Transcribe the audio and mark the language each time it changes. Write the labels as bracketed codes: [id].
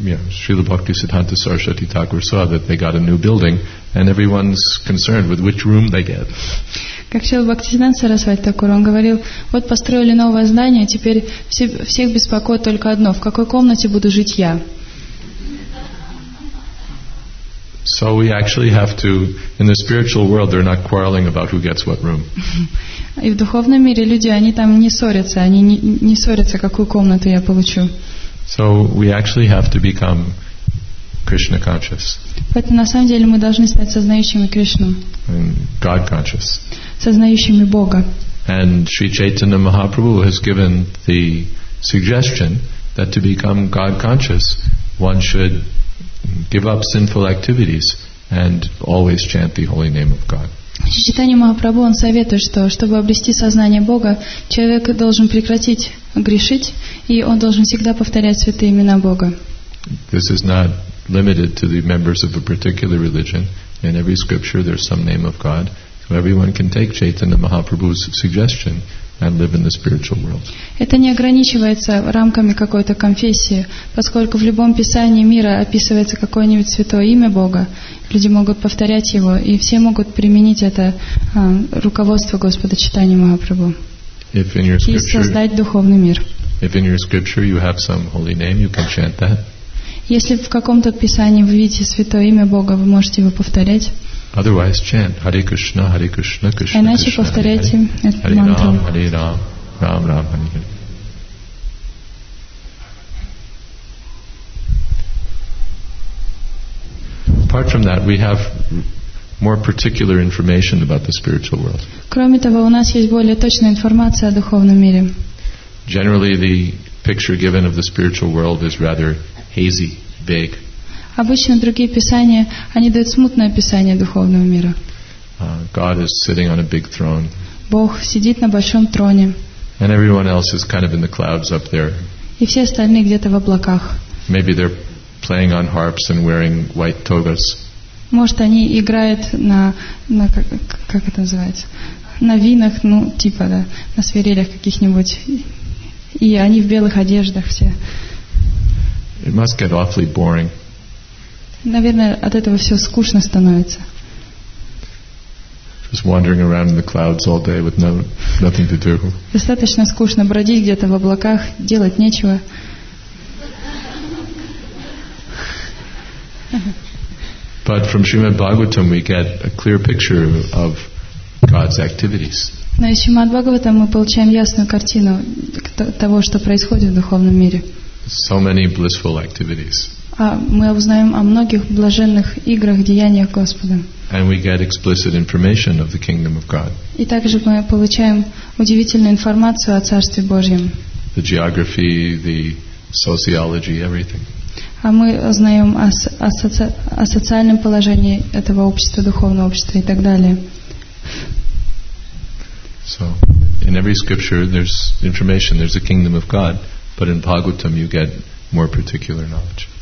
[en] Srila Bhaktisiddhanta Saraswati Thakur saw that they got a new building and everyone's concerned with which room they get. [ru] Как Шрила Бхактисиддханта Сарасвати Такур, он говорил, вот построили новое здание, теперь всех беспокоит только одно, в какой комнате буду жить я? [en] So we actually have to, in the spiritual world, they're not quarreling about who gets what room. [ru] И в духовном мире люди, они там не ссорятся, они не ссорятся, какую комнату я получу. [en] So we actually have to become Krishna conscious. [ru] Поэтому на самом деле мы должны стать сознающими Кришну. [en] And God conscious. [ru] Сознающими Бога. [en] And Sri Chaitanya Mahaprabhu has given the suggestion that to become God conscious, one should give up sinful activities and always chant the holy name of God. [ru] Sri Chaitanya Mahaprabhu, он советует, что чтобы обрести сознание Бога, человек должен прекратить грешить, и он должен всегда повторять святые имена Бога. [en] This is not limited to the members of a particular religion. In every scripture, there's some name of God. So everyone can take Chaitanya Mahaprabhu's suggestion and live in the spiritual world. [ru] Это не ограничивается рамками какой-то конфессии, поскольку в любом писании мира описывается какое-нибудь святое имя Бога. Люди могут повторять его, и все могут применить это руководство Господа Чайтаньи Махапрабху. [en] If in your scripture, [ru] и создать духовный мир. [en] If in your scripture you have some holy name, you can chant that. [ru] Если в каком-то писании вы видите святое имя Бога, вы можете его повторять. [en] Otherwise, chant [sa] Hare Krishna, Hare Krishna, Krishna [en] Krishna. [ru] Иначе повторяйте [sa] Hare [ru] мантру. [sa] Hare Ram, Hare Ram, Ram Ram, Hare Hare. [en] Apart from that, we have more particular information about the spiritual world. [ru] Кроме того, у нас есть более точная информация о духовном мире. [en] Generally, the picture given of the spiritual world is rather hazy, vague. [ru] Обычно другие писания, они дают смутное описание духовного мира. [en] God is sitting on a big throne. [ru] Бог сидит на большом троне. [en] And everyone else is kind of in the clouds up there. [ru] И все остальные где-то в облаках. [en] Maybe they're playing on harps and wearing white togas. [ru] Может, они играют на как это называется? На винах, ну, типа, да, на свирелях каких-нибудь. И они в белых одеждах все. [en] It must get awfully boring. [ru] Наверное, от этого все скучно становится. [en] Just wandering around in the clouds all day with nothing to do. [ru] Достаточно скучно бродить где-то в облаках, делать нечего. [en] But from Srimad Bhagavatam we get a clear picture of God's activities. [ru] Но из Шримад Бхагаватам мы получаем ясную картину того, что происходит в духовном мире. [en] So many blissful activities. [ru] А мы узнаем о многих блаженных играх, деяниях Господа. [en] And we get explicit information of the kingdom of God. [ru] И также мы получаем удивительную информацию о Царстве Божьем. [en] The geography, the sociology, everything. [ru] А мы узнаем о социальном положении этого общества, духовного общества и так далее. [en] So, in every scripture there's information, there's a kingdom of God, but in Bhagavatam you get more particular knowledge.